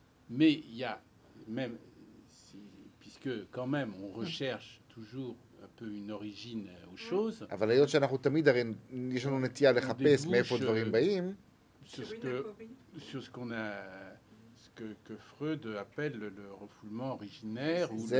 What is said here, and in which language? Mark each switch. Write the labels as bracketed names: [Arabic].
[French] Mais il y a même si, puisque quand même on recherche toujours un peu une origine aux choses. [Hebrew] אבל היות שאנחנו תמיד הרי יש לנו נטייה לחפש מאיפה דברים באים. [French] Sur ce qu'on a que Freud appelle le refoulement originaire ou